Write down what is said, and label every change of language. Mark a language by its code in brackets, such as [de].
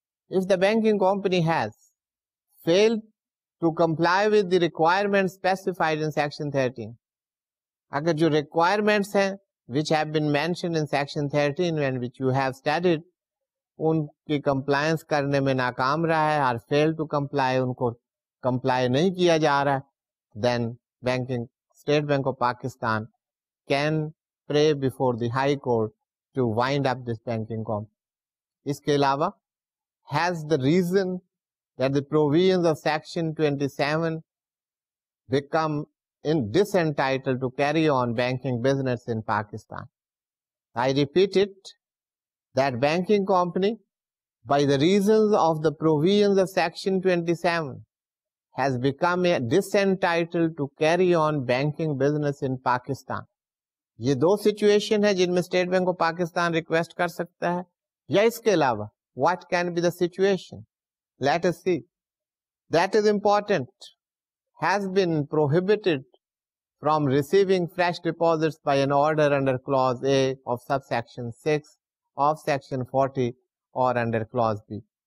[en] If the banking company has failed to comply with the requirements specified in section 13, [hi] agar jo requirements hain [en] which have been mentioned in section 13 and which you have studied, [hi] उनकी compliance करने में नाकाम रहा है, [en] Are fail to comply, उनको comply नहीं किया जा रहा है, then banking State Bank of Pakistan can pray before the high court to wind up this banking company. [hi] इसके अलावा [en] Has the reason that the provisions of section 27 become in disentitled to carry on banking business in Pakistan. I repeat it, that banking company, by the reasons of the provisions of Section 27, has become a disentitled to carry on banking business in Pakistan. [hi] ये दो situation है जिनमें state bank of Pakistan request कर सकता है या इसके अलावा [en] what can be the situation let us see that is important has been prohibited from receiving fresh deposits by an order under clause A of sub section 6 of section 40 और under clause B